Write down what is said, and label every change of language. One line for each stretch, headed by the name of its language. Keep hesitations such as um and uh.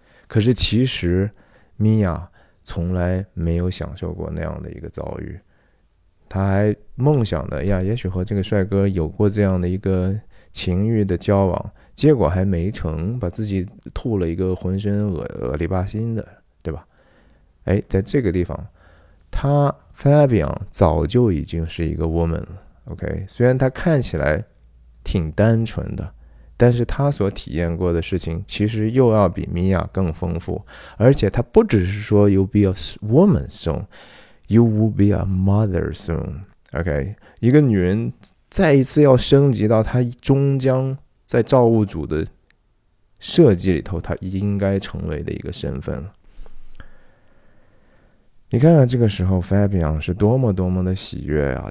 Chinese: 可是其实米娅从来没有享受过那样的一个遭遇，她还梦想着呀，也许和这个帅哥有过这样的一个情欲的交往，结果还没成，把自己吐了一个浑身恶、呃、恶、呃、里巴心的。哎，在这个地方，她 Fabian 早就已经是一个 woman 了。 OK，虽然她看起来挺单纯的，但是她所体验过的事情其实又要比米娅更丰富。而且她不只是说
English: “You'll be a woman soon”，You will be a mother soon。
Chinese: OK，一个女人再一次要升级到她终将在造物主的设计里头，她应该成为的一个身份了。你看看这个时候，Fabian 是多么多么的喜悦啊！